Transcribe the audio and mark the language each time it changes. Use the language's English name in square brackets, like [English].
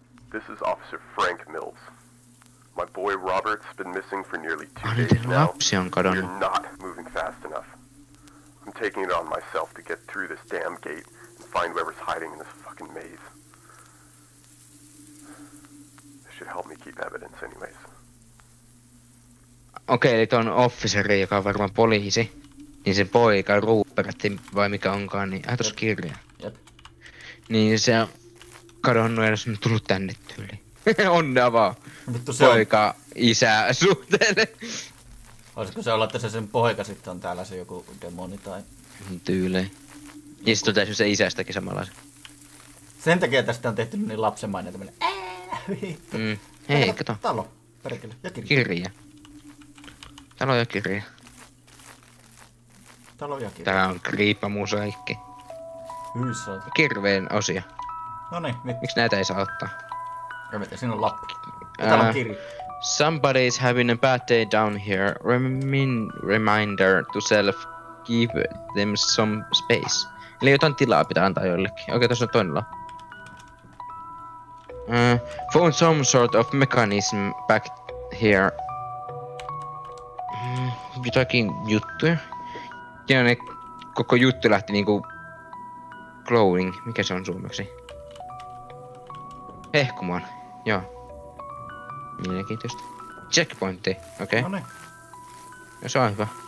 [English] This is Officer Frank Mills. My boy Robert's been missing for nearly 2 days now. You're not moving fast enough. I'm taking it on myself to get through this damn gate and find whoever's hiding in this fucking maze. This should help me keep evidence anyways. [Finnish] Okei, eli tuon officeri, joka on varmaan poliisi, niin sen poika Rupert, vai mikä onkaan, niin hän tuossa kirjaa. Niin se on kadonnut ja se on tullut tänne tyyliin. Onnea vaan. Vittu, se poika on isää suhteelle. Olisiko se olla, että se sen poika sitten on täällä se joku demoni tai tyyliin. Ja sitten on täysin se isästäkin samanlaisen. Sen takia tästä on tehty niin lapsenmainen tämmönen. Hei, kato. Talo, perkele, ja kirja. Talo ja kirja. Talo ja kirja. Tää on kriippamusaikki. Hyys on. Kirveen osia. Noniin, mit. Miks näitä ei saa ottaa? Ja mitä, siinä on lappu. Täällä on kirja. [English] Somebody's having a bad day down here. Reminder to self. Give them some space. [Finnish] Eli jotain tilaa pitää antaa jollekin. Okei, tossa on toinen lappu. [English] Found some sort of mechanism back here. [Finnish] Jotakin juttuja. Ja ne koko juttu lähti niinku glowing. Mikä se on suomeksi? Hehkumaan. Joo. Mielenkiintoista. Checkpointti. Okei. Okay. Noniin. Ja se on hyvä.